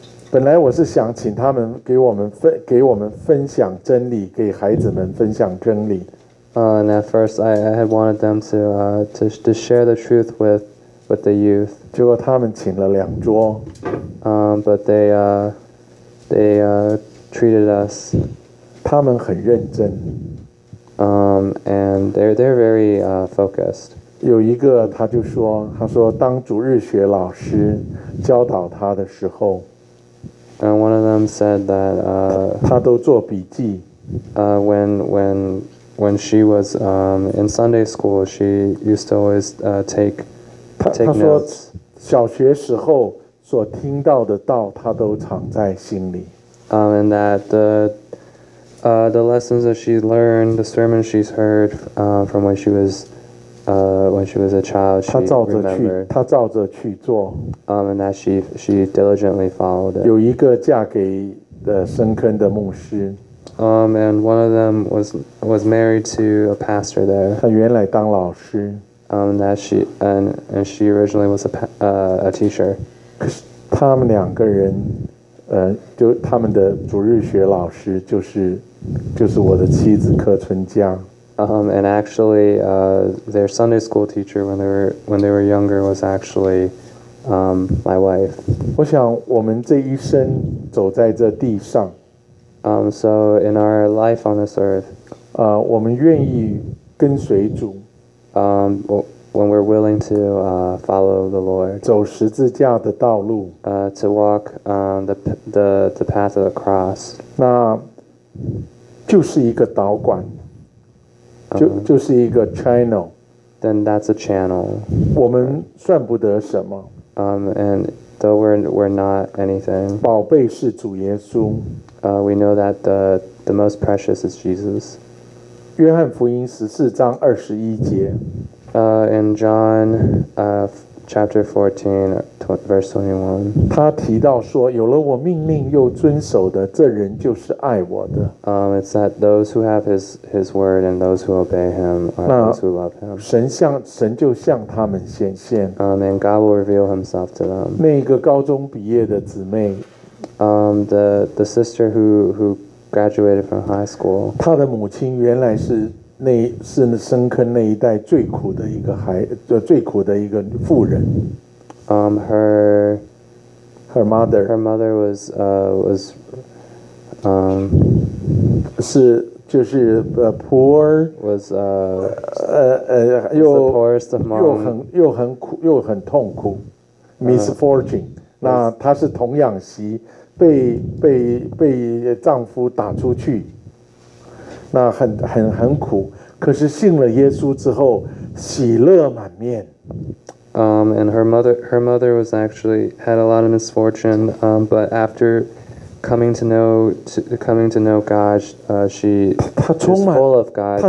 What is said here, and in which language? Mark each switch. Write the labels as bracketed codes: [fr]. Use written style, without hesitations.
[zh] 本来我是想请他们给我们分享真理，给孩子们分享真理。 [en] And at first, I had wanted them to share the truth with the youth. [zh] 结果他们请了两桌。 [en] But they treated us. [zh] 他们很认真。 [en] And they're very focused. [zh] 有一个他就说，他说当主日学老师教导他的时候。 [en] And one of them said that [zh] 他都做笔记。 [en] When she was in Sunday school, she used to always take notes. [zh] 他说小学时候所听到的道，他都藏在心里。 [en] And that the lessons that she learned, the sermons she's heard from when she was a child, she remembered. [zh] 她照着去做。 [en] And that she diligently followed it. [zh] 有一个嫁给的深坑的牧师。 [en] And one of them was married to a pastor there. [zh] 她原来当老师。 [en] And she originally was a teacher. [zh] 可是他们两个人，就他们的主日学老师就是我的妻子柯春佳。 [en] And actually, their Sunday school teacher when they were younger was actually my wife. [zh] 我想我们这一生走在这地上。 [en] So in our life on this earth, [zh] 我们愿意跟随主。 [en] When we're willing to follow the Lord, [zh] 走十字架的道路 [en] to walk the path of the cross. [zh] 那就是一个导管，就是一个 channel. [en] Then that's a channel. [zh] 我们算不得什么。 [en] And though we're not anything. [zh] 宝贝是主耶稣。 [en] We know that the most precious is Jesus. [zh] 约翰福音十四章二十一节。 [en] In John, chapter 14, verse 21. [zh] 他提到说，有了我命令又遵守的，这人就是爱我的。 [en] It's that those who have his word and those who obey him are those who love him. [zh] 神就向他们显现。 [en] And God will reveal himself to them. [zh] 那一个高中毕业的姊妹。 [en] The sister who graduated from high school. [zh] 她的母亲原来是那是深坑那一代最苦的一个孩，最苦的一个妇人。 [en] Her mother was [zh] 是就是poor [en] was the poorest of mom. [zh] 又很苦又很痛苦 misfortune. 那她是童养媳。被丈夫打出去，那很苦。可是信了耶稣之后，喜乐满面。 [en] And her mother was actually had a lot of misfortune. But after coming to know God, she was full of God's joy.